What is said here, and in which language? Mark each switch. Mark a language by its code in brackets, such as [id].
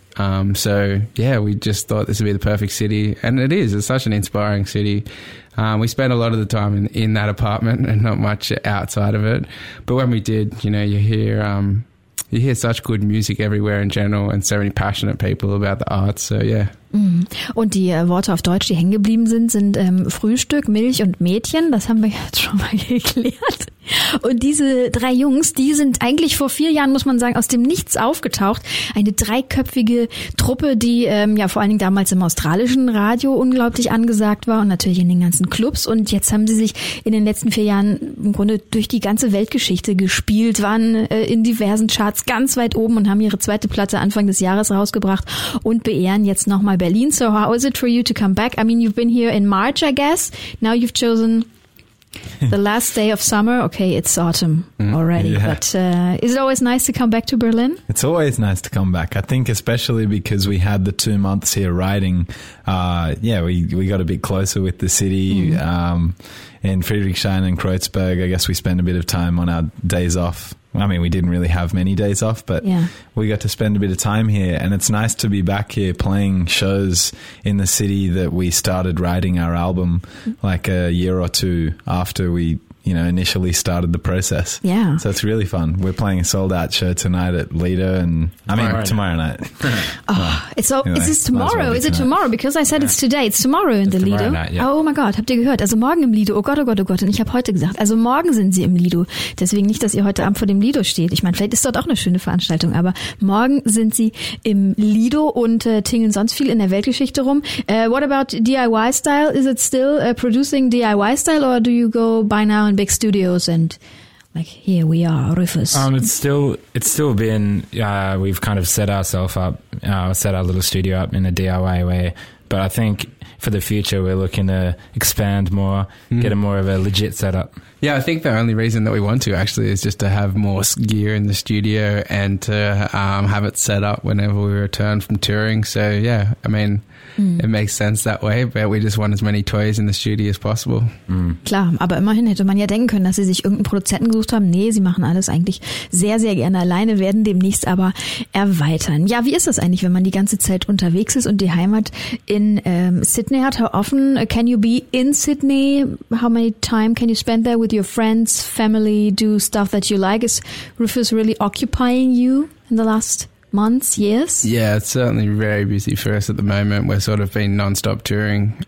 [en] We just thought this would be the perfect city, and it is. It's such an inspiring city. We spent a lot of the time in that apartment and not much outside of it. But when we did, you know, you hear such good music everywhere in general and so many passionate people about the arts. So, yeah. Mm. [de] Und die Worte auf Deutsch, die hängen geblieben sind Frühstück, Milch und Mädchen. Das haben wir jetzt schon mal geklärt. Und diese drei Jungs, die sind eigentlich vor vier Jahren, muss man sagen, aus dem Nichts aufgetaucht. Eine dreiköpfige Truppe, die vor allen Dingen damals im australischen Radio unglaublich angesagt war und natürlich in den ganzen Clubs. Und jetzt haben sie sich in den letzten vier Jahren im Grunde durch die ganze Weltgeschichte gespielt, waren in diversen Charts ganz weit oben und haben ihre zweite Platte Anfang des Jahres rausgebracht und beehren jetzt nochmal Berlin. [en] So how is it for you to come back? I mean, you've been here in March, I guess. Now you've chosen the last day of summer. Okay, it's autumn already. Yeah. But is it always nice to come back to Berlin? It's always nice to come back. I think especially because we had the 2 months here writing. We got a bit closer with the city. Mm-hmm. In Friedrichshain and Kreuzberg, I guess we spent a bit of time on our days off. I mean, we didn't really have many days off, but we got to spend a bit of time here. And it's nice to be back here playing shows in the city that we started writing our album like a year or two after we, you know, initially started the process. Yeah. So it's really fun. We're playing a sold out show tonight at Lido and tomorrow night. Is it tomorrow? Because I said it's today. It's tomorrow in it's the tomorrow Lido. Night, yeah. Oh my God. [de] Habt ihr gehört? Also morgen im Lido. Oh Gott, oh Gott, oh Gott. Und ich habe heute gesagt, also morgen sind sie im Lido. Deswegen nicht, dass ihr heute Abend vor dem Lido steht. Ich meine, vielleicht ist dort auch eine schöne Veranstaltung, aber morgen sind sie im Lido und tingeln sonst viel in der Weltgeschichte rum. [en] What about DIY style? Is it still producing DIY style or do you go by now big studios and like here we are Rufus? It's still been we've kind of set our little studio up in a DIY way, but I think for the future we're looking to expand more. Mm. Get a more of a legit setup. Yeah, I think the only reason that we want to actually is just to have more gear in the studio and to have it set up whenever we return from touring. So yeah, I mean, it makes sense that way, but we just want as many toys in the studio as possible. Mm. [de] Klar, aber immerhin hätte man ja denken können, dass sie sich irgendeinen Produzenten gesucht haben. Nee, sie machen alles eigentlich sehr, sehr gerne alleine, werden demnächst aber erweitern. Ja, wie ist das eigentlich, wenn man die ganze Zeit unterwegs ist und die Heimat in Sydney hat? [en] How often can you be in Sydney? How many time can you spend there with your friends, family, do stuff that you like? Is Rufus really occupying you in the last months, years? Yeah, it's certainly very busy for us at the moment. We're sort of been non-stop touring.